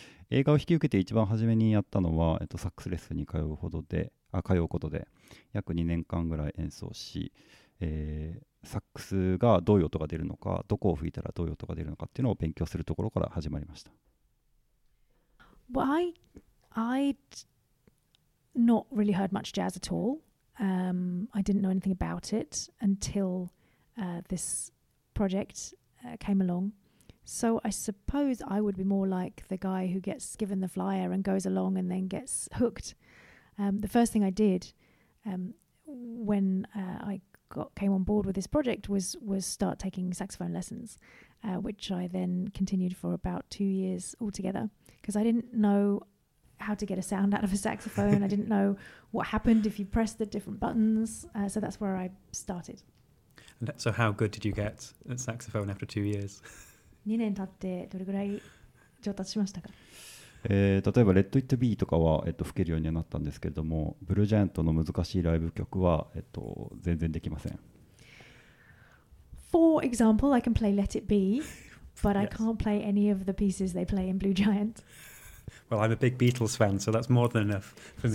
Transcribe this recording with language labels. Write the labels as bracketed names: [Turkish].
[Japanese] 映画を引き受けて一番初めにやったのは、サックスレッスンに通うことで約2年間ぐらい演奏し、サックスがどういう音が出るのか、どこを吹いたらどういう音が出るのかっていうのを勉強するところから始まりました。 [English] Well, I'd not really heard much jazz at all. I didn't know anything about it until this project came along. So I suppose I would be more like the guy who gets given the flyer and goes along and then gets hooked. The first thing I did when I came on board with this project was start taking saxophone lessons, which I then continued for about 2 years altogether, because I didn't know how to get a sound out of a saxophone. I didn't know what happened if you press the different buttons. So that's where I started. And so how good did you get at saxophone after 2 years? [Japanese] 2年経ってどれぐらい上達しましたか？例えばレッド・イット・ビーとかは、吹けるようになったんですけれども、ブルージャイアントの難しいライブ曲は、全然できません。 [English] For example, I can play Let It Be, but I can't play any of the pieces they play in Blue Giant. Well, I'm a big Beatles fan, so that's more than enough for me.